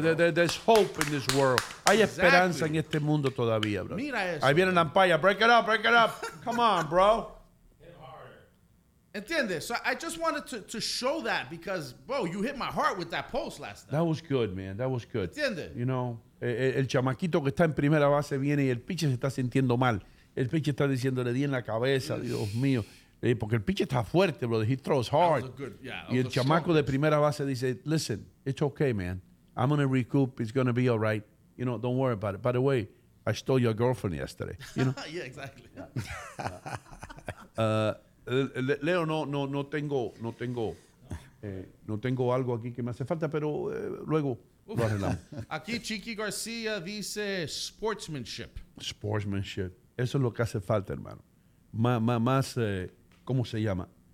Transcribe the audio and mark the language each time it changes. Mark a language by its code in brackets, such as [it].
[en] There's hope in this world. [es] Hay exactly. Esperanza en este mundo todavía, bro. Mira eso. Ahí viene la ampalla. [en] Break it up. Come on, bro. Hit harder. [es] ¿Entiendes? [en] So I just wanted to show that because, bro, you hit my heart with that post last night. That was good, man. That was good. [es] ¿Entiendes? [en] You know? [es] El chamaquito que está en primera base viene y el pitcher se está sintiendo mal. El pitcher está diciendo, le di en la cabeza, Dios mío. Porque el pitcher está fuerte, brother. [en] He throws hard. [es] Y el chamaco de primera base dice, [en] listen, it's okay, man. I'm going to recoup. It's going to be all right. You know, don't worry about it. By the way, I stole your girlfriend yesterday. You know? Yeah, exactly. [es] Leo, no tengo algo aquí que me hace falta, pero luego... Aquí Chiqui García dice sportsmanship. Sportsmanship. Eso es lo que hace falta, hermano. Más, ¿cómo se llama?